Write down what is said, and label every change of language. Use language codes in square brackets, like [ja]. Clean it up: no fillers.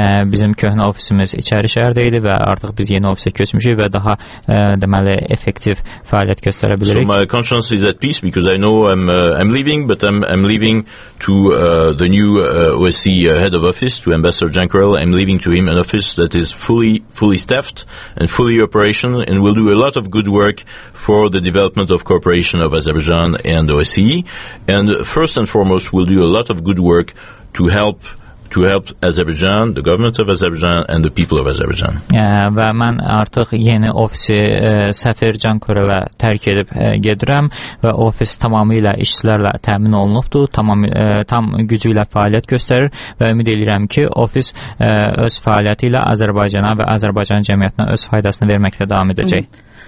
[az] Bizim köhnə ofisimiz İçərişəhərdə idi və artıq biz yeni ofisə köçmüşük və daha deməli effektiv fəaliyyət göstərə bilərik. [en] So my conscience is at peace because I know I'm leaving, but I'm leaving to the new OSC head of office, to Ambassador Jankarel. I'm leaving to him an office that is fully staffed and fully operational and will do a lot of good work for the development of cooperation of Azerbaijan and OSCE. And first and foremost, we'll do a lot of good work to help to help Azerbaijan, the government of Azerbaijan, and the people of Azerbaijan. [az] Və mən artıq yeni ofisi Səfircan Körələ tərk edib gedirəm və ofis tamamilə işçilərlə təmin olunubdur, tam gücü ilə fəaliyyət göstərir və ümid edirəm ki, ofis öz fəaliyyəti ilə Azərbaycana və Azərbaycan cəmiyyətinə öz faydasını verməkdə davam edəcək.